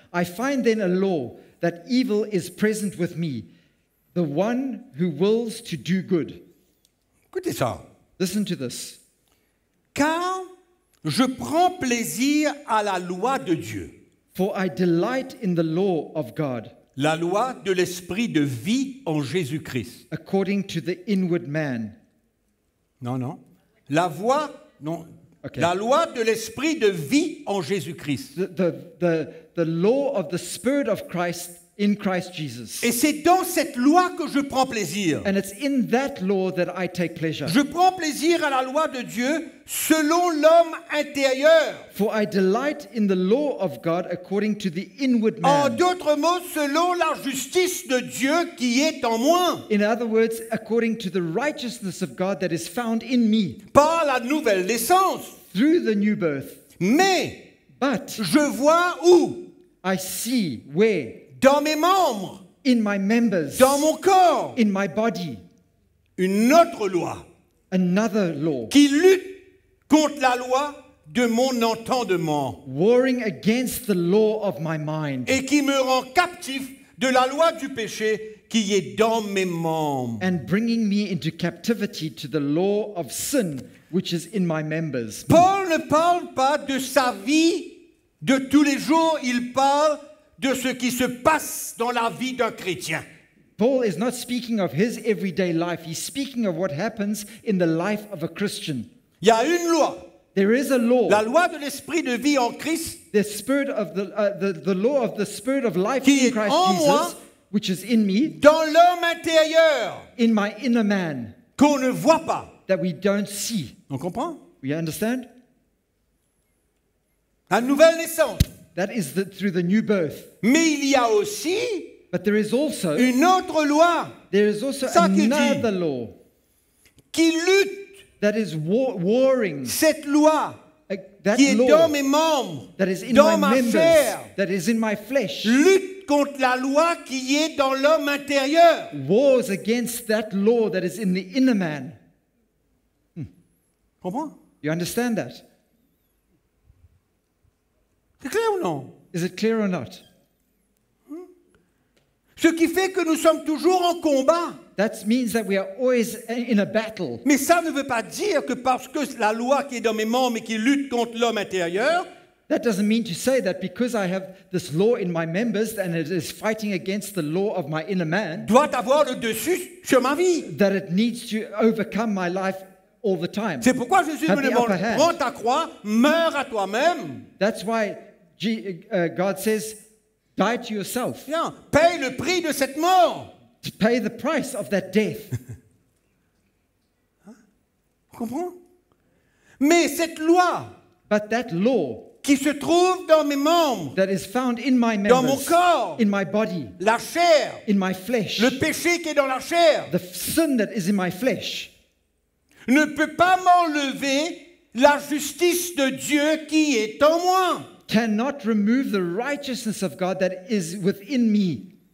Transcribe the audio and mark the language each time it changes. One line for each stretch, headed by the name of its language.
English: I find then a law that evil is present with me, the one who wills to do good.
French: Écoutez ça.
English: Listen to this.
French: Car je prends plaisir à la loi de Dieu.
English: For I delight in the law of God.
French: La loi de l'esprit de vie en Jésus-Christ.
English: According to the inward man.
French: Non, non. La voix, non, okay. La loi de l'esprit de vie en Jésus-Christ.
English: The law of the spirit of Christ in Christ Jesus.
French: Et c'est dans cette loi que je prends plaisir.
English: And it's in that law that I take pleasure.
French: Je prends plaisir à la loi de Dieu selon l'homme intérieur.
English: For I delight in the law of God according to the inward man.
French: En d'autres mots, selon la justice de Dieu qui est en moi.
English: In other words, according to the righteousness of God that is found in me.
French: Par la nouvelle naissance.
English: Through the new birth.
French: Mais.
English: But.
French: Je vois où.
English: I see where.
French: Dans mes membres,
English: in my members,
French: dans mon corps,
English: in my body,
French: une autre loi,
English: another law,
French: qui lutte contre la loi de mon entendement,
English: warring against the law of my mind,
French: et qui me rend captif de la loi du péché qui est dans mes membres.
English: And bringing me into captivity to the law of sin which is in my members.
French: Paul ne parle pas de sa vie de tous les jours, il parle de ce qui se passe dans la vie d'un chrétien.
English: Paul is not speaking of his everyday life, he's speaking of what happens in the life of a Christian.
French: Il y a une loi.
English: There is a law.
French: La loi de l'esprit de vie en Christ.
English: The spirit of the law of the spirit of life in Christ Jesus, moi, which is in me.
French: Dans l'homme intérieur.
English: In my inner man.
French: Qu'on ne voit pas.
English: That we don't see.
French: On comprend?
English: We understand?
French: La nouvelle naissance.
English: That is the, through the new birth.
French: Mais il y a aussi.
English: But there is also
French: une autre loi.
English: There is also another law.
French: Qui lutte.
English: That is warring.
French: Cette loi
English: that
French: qui est dans mes membres,
English: that is in
French: dans ma
English: members,
French: chair,
English: that is in my flesh,
French: lutte contre la loi qui est dans l'homme intérieur.
English: Wars against that law that is in the inner man.
French: Comment?
English: You understand that?
French: C'est clair ou non?
English: Is it clear or not?
French: Ce qui fait que nous sommes toujours en combat.
English: That means that we are always in a battle.
French: Mais ça ne veut pas dire que parce que la loi qui est dans mes membres et qui lutte contre l'homme intérieur.
English: That doesn't mean to say that because I have this law in my members and it is fighting against the law of my inner man.
French: Doit avoir le dessus sur ma vie.
English: That it needs to overcome my life all the time.
French: C'est pourquoi Jésus me demande, prends ta croix, meurs à toi-même.
English: That's why God says, die to yourself.
French: Yeah. Paye le prix de cette mort.
English: To pay the price of that death.
French: Vous comprenez? Mais cette loi,
English: but that law,
French: qui se trouve dans mes membres,
English: that is found in my members,
French: dans mon corps,
English: in my body,
French: la chair,
English: in my flesh,
French: le péché qui est dans la chair,
English: the sin that is in my flesh,
French: ne peut pas m'enlever la justice de Dieu qui est en moi.
English: Cannot remove the righteousness of God that is within me.